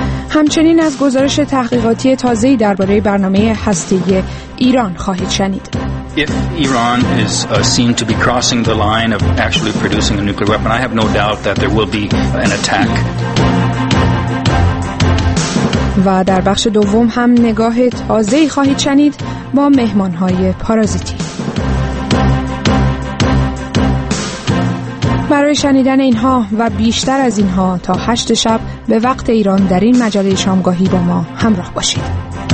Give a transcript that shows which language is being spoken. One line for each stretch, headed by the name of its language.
Persian: همچنین از گزارش تحقیقاتی تازه‌ای درباره برنامه هسته‌ای ایران خواهید شنید.
English: If Iran is seen to be crossing the line of actually producing a nuclear weapon, I have no doubt that there will be an attack.
Persian: و در بخش دوم هم نگاه تازه‌ای خواهید شنید با مهمان‌های پارازیتی. برای شنیدن اینها و بیشتر از اینها تا 8 شب به وقت ایران در این مجله شامگاهی با ما همراه باشید.